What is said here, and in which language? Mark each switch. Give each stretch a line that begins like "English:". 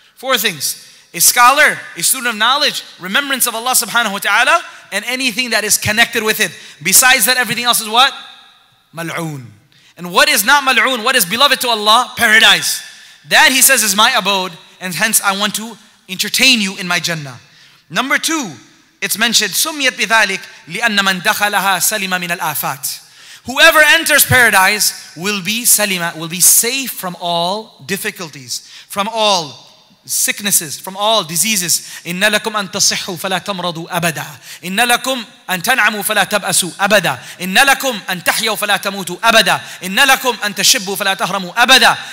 English: Four things: a scholar, a student of knowledge, remembrance of Allah subhanahu wa ta'ala, and anything that is connected with it. Besides that, everything else is what? Mal'oon. And what is not mal'oon? What is beloved to Allah? Paradise. That, he says, is my abode, and hence I want to entertain you in my Jannah. Number two, it's mentioned,
Arabic: سُمِّيَتْ بِذَلِكَ لِأَنَّ مَنْ دَخَلَهَا سَلِمَ مِنَ الْآفَاتِ.
English: Whoever enters paradise will be salima, will be safe from all difficulties, from all sicknesses, from all diseases.
Arabic: إِنَّ لَكُمْ أَن تَصِحُّوا فَلَا تَمْرَضُوا أَبَدًا. إِنَّ لَكُمْ أَن تَنْعَمُوا فَلَا تَبْأَسُوا أَبَدًا. إِنَّ لَكُمْ أَن تَحْيَوْا فَلَا تَمُوتُوا أَبَدًا. إِنَّ لَكُمْ أَن تَشِبُّوا فَلَا تَهْرَمُوا أَبَدًا.